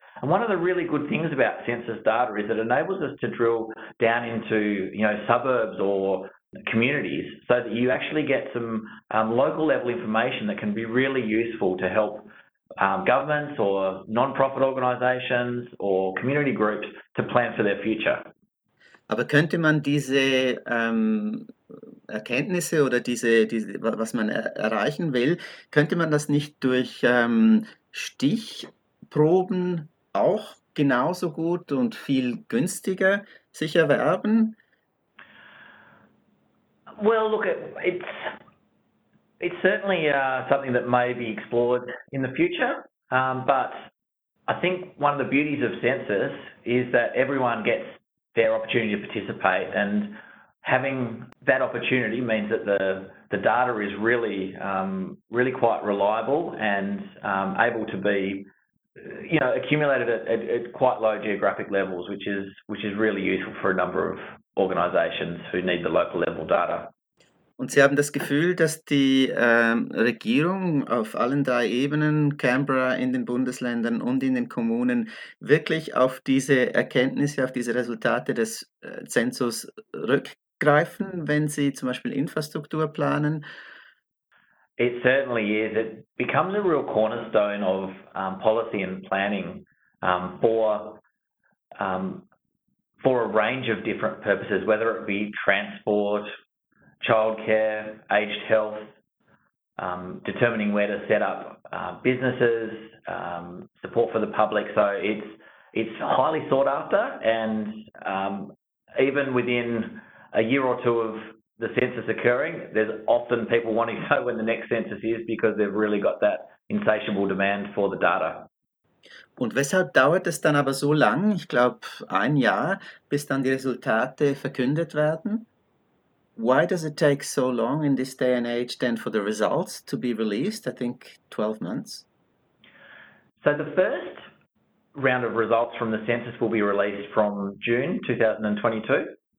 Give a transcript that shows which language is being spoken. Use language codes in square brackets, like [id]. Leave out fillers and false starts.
[en] And one of the really good things about census data is it enables us to drill down into, you know, suburbs or communities, so that you actually get some local level information that can be really useful to help governments or non-profit organizations or community groups to plan for their future. [de] Aber könnte man diese Erkenntnisse oder was man erreichen will, könnte man das nicht durch Stichproben auch genauso gut und viel günstiger sich erwerben? [en] Well, look, it's certainly something that may be explored in the future, but I think one of the beauties of census is that everyone gets their opportunity to participate, and having that opportunity means that the data is really, really quite reliable and able to be, you know, accumulated at quite low geographic levels, which is really useful for a number of organisations who need the local level data. [de] Und Sie haben das Gefühl, dass die Regierung auf allen drei Ebenen, Canberra, in den Bundesländern und in den Kommunen, wirklich auf diese Erkenntnisse, auf diese Resultate des Zensus rückgreifen, wenn sie zum Beispiel Infrastruktur planen? [en] It certainly is. It becomes a real cornerstone of policy and planning for a range of different purposes, whether it be transport, childcare, aged health, determining where to set up businesses, support for the public. So it's highly sought after, and even within a year or two of the census occurring, there's often people wanting to know when the next census is because they've really got that insatiable demand for the data. [de] Und weshalb dauert es dann aber so lang, ich glaube ein Jahr, bis dann die Resultate verkündet werden? [en] Why does it take so long in this day and age then for the results to be released? I think 12 months. So the first round of results from the census will be released from June 2022.